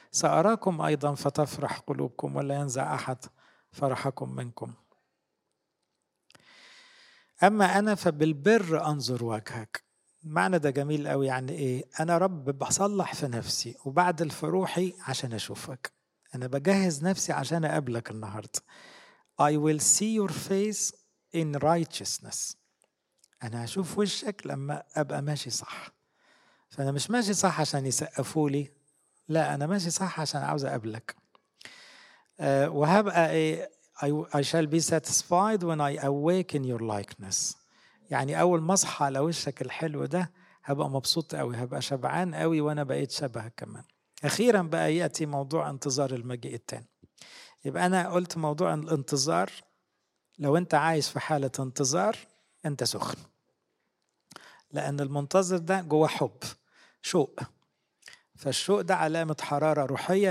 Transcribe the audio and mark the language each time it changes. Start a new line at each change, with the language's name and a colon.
Arabic: سأراكم أيضا فتفرح قلوبكم، ولا ينزع أحد فرحكم منكم. أما أنا فبالبر أنظر وجهك. معنى ده جميل قوي، يعني إيه؟ أنا رب بصلح في نفسي وبعد الفروحي عشان أشوفك، أنا بجهز نفسي عشان أقابلك النهاردة.
English: I will see your face in righteousness.
Arabic: أنا أشوف وشك لما أبقى ماشي صح. فأنا مش ماشي صح عشان يسقفوا لي، لا، أنا ماشي صح عشان عاوز أقابلك. وهبقى إيه؟
English: I shall be satisfied when I awake in your likeness.
Arabic: يعني أول مصحة لوشك الحلو ده هبقى مبسوط قوي، هبقى شبعان قوي، وأنا بقيت شبه كمان. أخيرا بقى يأتي موضوع انتظار المجيء التاني. يبقى أنا قلت موضوع الانتظار، لو أنت عايش في حالة انتظار أنت سخن، لأن المنتظر ده جوه حب، شوق، فالشوق ده علامة حرارة روحية.